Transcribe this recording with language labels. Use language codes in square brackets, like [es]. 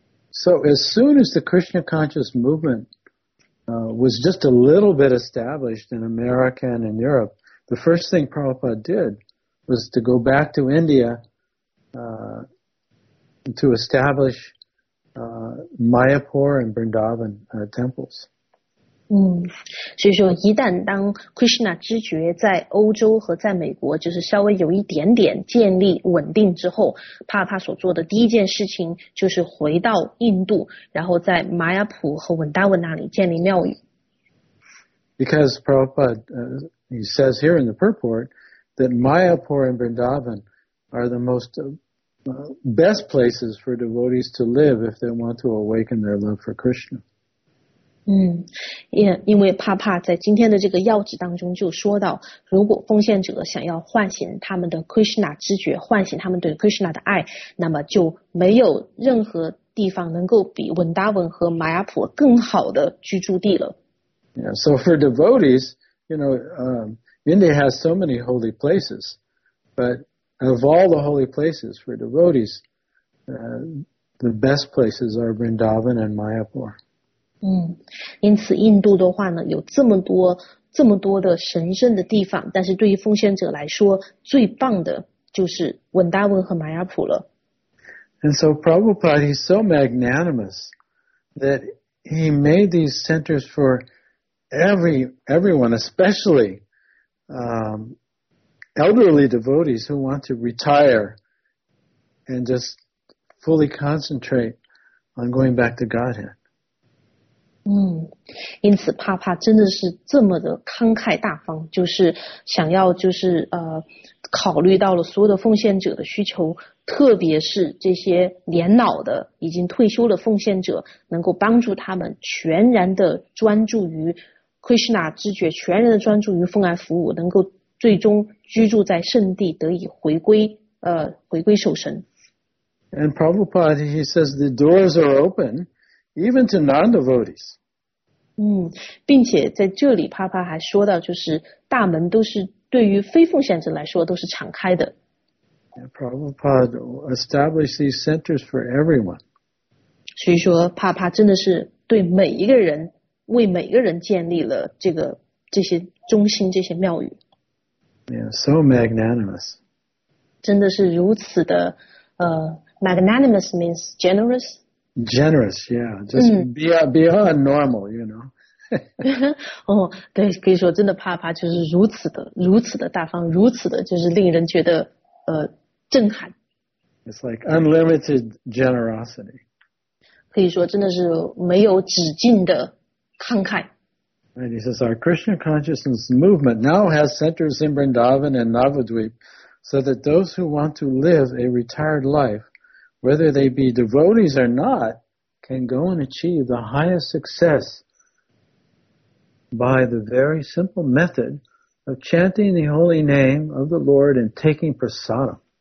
[en] So as soon as the Krishna conscious movement was just a little bit established in America and in Europe, the first thing Prabhupada did was to go back to India to establish Mayapur and Vrindavan temples. [zh] 所以说一旦当 Krishna 知觉在欧洲和在美国就是稍微有一点点建立稳定之后，帕所做的第一件事情就是回到印度，然后在玛雅普和文达文那里建立庙宇。 [en] Because Prabhupada he says here in the purport that Mayapur and Vrindavan are the most best places for devotees to live if they want to awaken their love for Krishna. [zh] 因为帕帕在今天的这个要旨当中就说到，如果奉献者想要唤醒他们的 Krishna 知觉，唤醒他们对 Krishna 的爱，那么就没有任何地方能够比文达文和玛雅普更好的居住地了。 [en] Yeah, so for devotees, you know, India has so many holy places, but of all the holy places for devotees, the best places are Vrindavan and Mayapur. [zh] 因此印度的话呢，有这么多的神圣的地方，但是对于奉献者来说，最棒的就是文达文和玛雅普了。 [en] And so Prabhupada is so magnanimous that he made these centers for everyone, especially elderly devotees who want to retire and just fully concentrate on going back to Godhead. [zh] 因此帕帕真的是这么的慷慨大方，就是想要考虑到了所有的奉献者的需求，特别是这些年老的已经退休的奉献者，能够帮助他们全然的专注于Krishna 知觉，全然的专注于奉爱服务，能够最终居住在圣地，得以回归守神。 [en] And Prabhupada, he says the doors are open, even to non-devotees. [zh] 并且在这里，帕帕还说到，就是大门都是对于非奉献者来说都是敞开的。 [en] And Prabhupada established these centers for everyone. [zh] 所以说，帕帕真的是对每一个人。为每个人建立了这些中心，这些庙宇。 [en] Yeah, so magnanimous. [zh] 真的是如此的 [en] magnanimous means generous. Generous, yeah, just beyond normal, you know. [zh] 对，可以说真的，帕帕就是如此的大方，如此的就是令人觉得震撼。 [en] It's like unlimited generosity. [zh] 可以说真的是没有止境的。 [en] And he says, our Krishna consciousness movement now has centers in Vrindavan and Navadvip, so that those who want to live a retired life, whether they be devotees or not, can go and achieve the highest success by the very simple method of chanting the holy name of the Lord and taking prasadam.